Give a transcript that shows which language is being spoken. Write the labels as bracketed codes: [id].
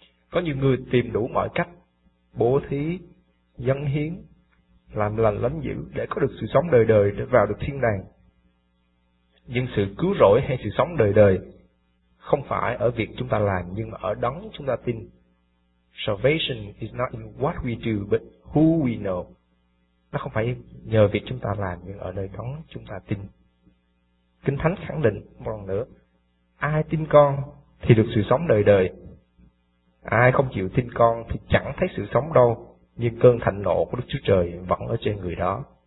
[vi] Có nhiều người tìm đủ mọi cách bố thí, dâng hiến, làm lành lánh dữ để có được sự sống đời đời, để vào được thiên đàng. Nhưng sự cứu rỗi hay sự sống đời đời không phải ở việc chúng ta làm, nhưng mà ở đấng chúng ta tin. [en] Salvation is not in what we do, but who we know. [vi] Nó không phải nhờ việc chúng ta làm, nhưng ở nơi đấng chúng ta tin. Kinh Thánh khẳng định một lần nữa, ai tin con thì được sự sống đời đời. Ai không chịu tin con thì chẳng thấy sự sống đâu, nhưng cơn thạnh nộ của Đức Chúa Trời vẫn ở trên người đó.